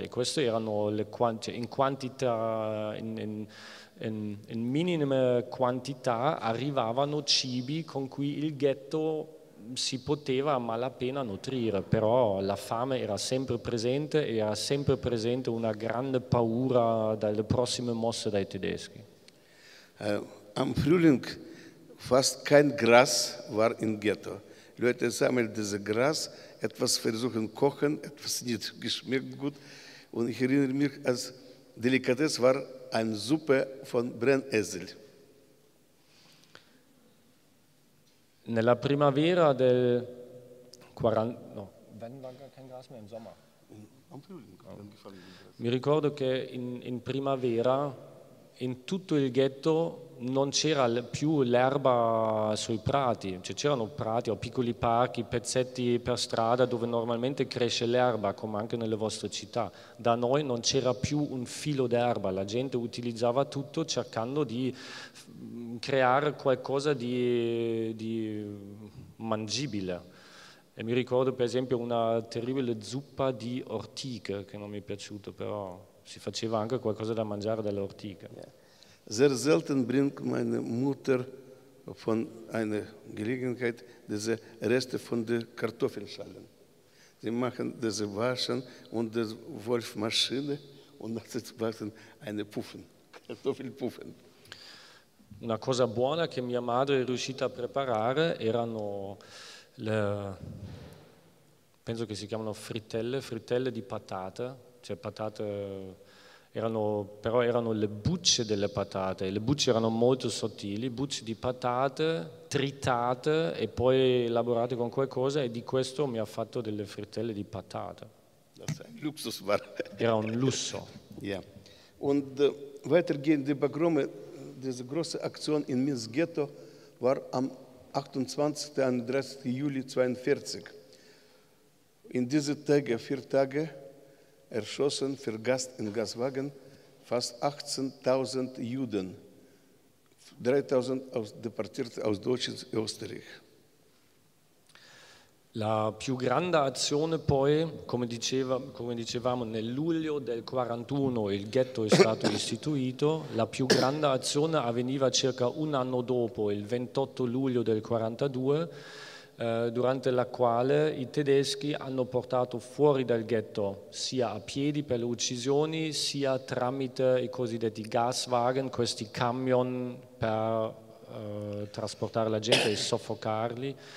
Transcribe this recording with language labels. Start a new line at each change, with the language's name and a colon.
Italian: E queste erano le in minime quantità arrivavano cibi con cui il ghetto si poteva a malapena nutrire, però la fame era sempre presente e era sempre presente una grande paura dalle prossime mosse dai tedeschi.
German: Am Frühling fast kein Gras war im Ghetto. Leute sammeln dieses Gras, etwas versuchen kochen, etwas nicht geschmeckt gut. Und ich erinnere mich, als Delikatesse war eine Suppe von Brennessel.
Italian: Nella primavera del 40, no.
German: Wenn war gar kein Gras mehr im Sommer.
Italian: Mi ricordo che in primavera in tutto il ghetto non c'era più l'erba sui prati, cioè c'erano prati o piccoli parchi, pezzetti per strada dove normalmente cresce l'erba, come anche nelle vostre città. Da noi non c'era più un filo d'erba, la gente utilizzava tutto cercando di creare qualcosa di mangibile. E mi ricordo per esempio una terribile zuppa di ortiche, che non mi è piaciuto, però si faceva anche qualcosa da mangiare dalle ortiche.
German: Sehr selten bringt meine Mutter von einer Gelegenheit diese Reste von den Kartoffelschalen. Sie machen diese Waschen und die Wolfmaschine und das machen eine Puffen, Kartoffelpuffen.
Italian: Una cosa buona che mia madre è riuscita a preparare erano le, penso che si chiamano frittelle di patate, cioè patate. Erano le bucce delle patate, le bucce erano molto sottili, bucce di patate tritate e poi elaborate con qualcosa, e di questo mi ha fatto delle frittelle di patate.
German: Luxus war.
Italian: Era un lusso.
German: Ja. Und weitergehend die Pogrome, diese große Aktion in Minsk Ghetto war am 28. und 30. Juli 42. In diese Tage, vier Tage, erschossen, vergast in Gaswagen, fast 18.000 Juden, 3.000 deportiert aus Deutschland e Österreich.
Italian: La più grande azione poi, come dicevamo, nel luglio del 41 il ghetto è stato istituito, la più grande azione avveniva circa un anno dopo, il 28 luglio del 42, durante la quale i tedeschi hanno portato fuori dal ghetto sia a piedi per le uccisioni sia tramite i cosiddetti Gaswagen, questi camion per trasportare la gente e soffocarli,